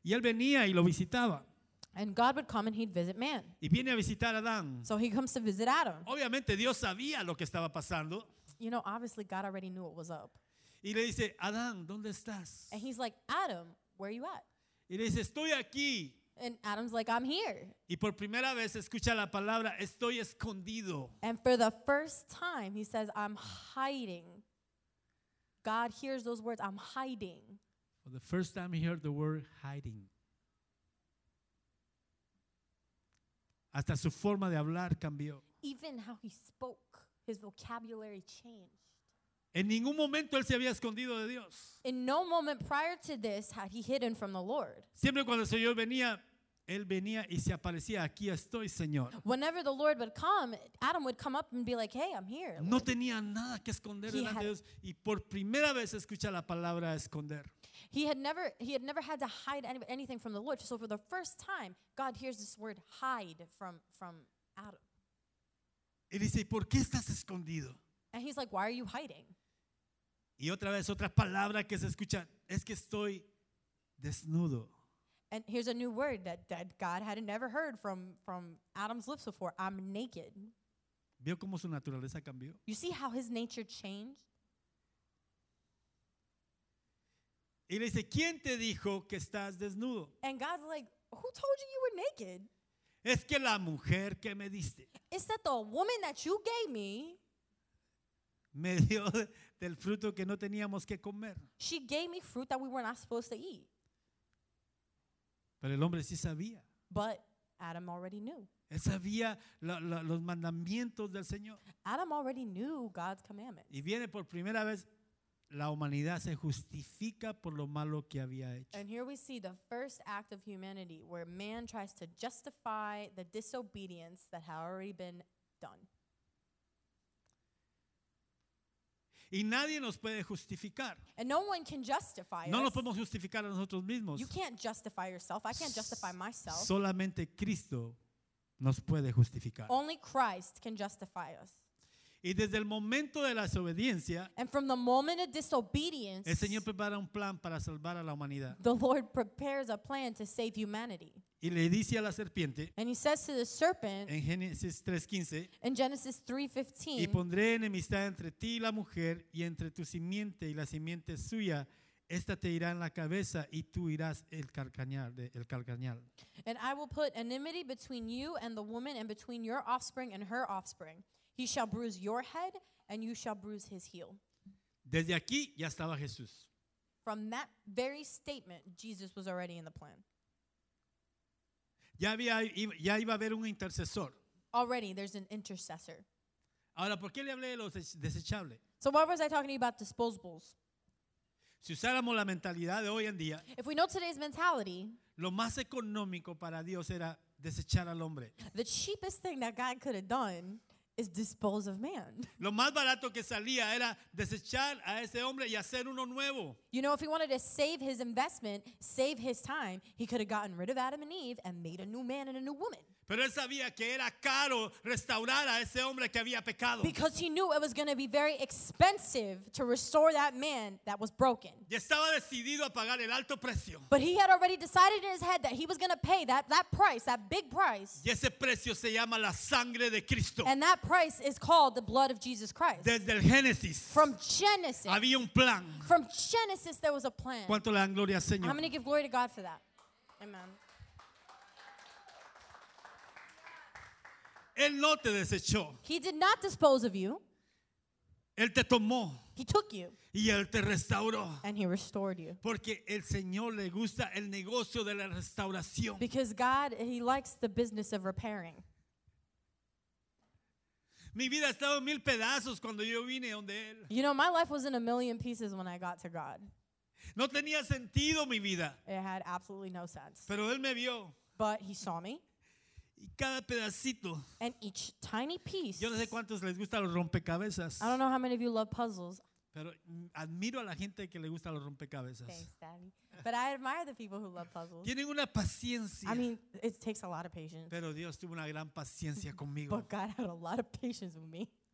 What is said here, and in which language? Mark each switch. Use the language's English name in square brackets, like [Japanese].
[Spanish] Y él venía y lo visitaba. [English] And God would come and he'd visit man. [Spanish] Y viene a visitar a Adán. [English] So he comes to visit Adam. [Spanish] Obviamente Dios sabía lo que estaba pasando. [English] You know, obviously God already knew what was up. [Spanish] Y le dice, Adán, ¿dónde estás? [English] And he's like, Adam, where are you at? [Spanish] Y le dice, estoy aquí. [English] And Adam's like, I'm here. [Spanish] Y por primera vez escucha la palabra, estoy escondido. [English] And for the first time, he says, I'm hiding. God hears those words, I'm hiding. For the first time, he heard the word hiding. [Spanish] Hasta su forma de hablar cambió. [English] Even how he spoke, his vocabulary changed. [Spanish] En ningún momento él se había escondido de Dios. [English] In no moment prior to this had he hidden from the Lord. [Spanish] Siempre cuando el Señor venía, él venía y se aparecía, aquí estoy, Señor. [English] Whenever the Lord would come, Adam would come up and be like, hey, I'm here. [Spanish] No tenía nada que esconder delante de Dios y por primera vez escucha la palabra esconder. [English] He had never had to hide anything from the Lord. So for the first time, God hears this word hide from Adam. [Spanish] Y dice, ¿por qué estás escondido? [English] And he's like, why are you hiding? [Spanish] Y otra vez, otra palabra que se escucha, es que estoy desnudo. [English] And here's a new word that, that God had never heard from Adam's lips before. I'm naked. [Spanish] ¿Vio cómo su naturaleza cambió? [English] You see how his nature changed? [Spanish] Y le dice, ¿quién te dijo que estás desnudo? [English] And God's like, who told you you were naked? [Spanish] Es que la mujer que me diste. [English] It's that the woman that you gave me. [Spanish] Me dio del fruto que no teníamos que comer. [English] She gave me fruit that we were not supposed to eat. [Spanish] Pero el hombre sí sabía. [English] But Adam already knew. [Spanish] Él sabía los mandamientos del Señor. [English] Adam already knew God's commandments. [Spanish] Y viene por primera vez, la humanidad se justifica por lo malo que había hecho. [English] And here we see the first act of humanity where man tries to justify the disobedience that had already been done. [Spanish] Y nadie nos puede justificar. [English] And no one can justify us. [Spanish] No nos podemos justificar a nosotros mismos. [English] You can't justify yourself. I can't justify myself. [Spanish] Solamente Cristo nos puede justificar. [English] Only Christ can justify us. [Spanish] Y desde el momento de la desobediencia, [English] and from the moment of disobedience, [Spanish] el Señor prepara un plan para salvar a la humanidad. [English] The Lord prepares a plan to save humanity. [Spanish] Y le dice a la serpiente, [English] and he says to the serpent, [Spanish] en Génesis 3:15, [English] in Genesis 3:15, [Spanish] y pondré enemistad entre ti y la mujer, y entre tu simiente y la simiente suya, esta te irá en la cabeza y tú irás el calcañal. [English] And I will put enmity between you and the woman, and between your offspring and her offspring. He shall bruise your head, and you shall bruise his heel. [Spanish] Desde aquí ya estaba Jesús. [English] From that very statement, Jesus was already in the plan. [Spanish] Ya iba a haber un intercesor. [English] Already, there's an intercessor. [Spanish] Ahora, ¿por qué le hablé de los desechables? [English] So why was I talking about disposables? [Spanish] Si usáramos la mentalidad de hoy en día, [English] if we know today's mentality, [Spanish] lo más económico para Dios era desechar al hombre. [English] The cheapest thing that God could have done is dispose of man. [Spanish] Lo más barato que salía era desechar a ese hombre y hacer uno nuevo. [English] You know, if he wanted to save his investment, save his time, he could have gotten rid of Adam and Eve and made a new man and a new woman. [Spanish] Pero él sabía que era caro restaurar a ese hombre que había pecado. [English] Because he knew it was going to be very expensive to restore that man that was broken. [Spanish] Y estaba decidido a pagar el alto precio. [English] But he had already decided in his head that he was going to pay that price, that big price. [Spanish] Y ese precio se llama la sangre de Cristo. [English] And that price is called the blood of Jesus Christ. [Spanish] Desde el Génesis. [English] From Genesis. [Spanish] Había un plan. [English] From Genesis there was a plan. [Spanish] ¿Cuánto le dan gloria al Señor? [English] I'm going to give glory to God for that. Amen. [Spanish] Él no te desechó. [English] He did not dispose of you. [Spanish] Él te tomó. [English] He took you. [Spanish] Y Él te restauró. [English] And he restored you. [Spanish] Porque el Señor le gusta el negocio de la restauración. [English] Because God, he likes the business of repairing. [Spanish] Mi vida estaba en mil pedazos cuando yo vine donde Él. [English] You know, my life was in a million pieces when I got to God. [Spanish] No tenía sentido mi vida. [English] It had absolutely no sense. [Spanish] Pero Él me vio. [English] But he saw me. [Spanish] Y cada pedacito. [English] And each tiny piece. [Spanish] Yo no sé cuántos les gustan los rompecabezas. [English] I don't know how many of you love puzzles. [Spanish] Pero admiro a la gente que le gusta los rompecabezas. [English] Thanks, Daddy. But I admire the people who love puzzles. [Spanish] Tienen una paciencia. [English] I mean, it takes a lot of patience. [Spanish] Pero Dios tuvo una gran paciencia conmigo. [English] But God had a lot of patience with me.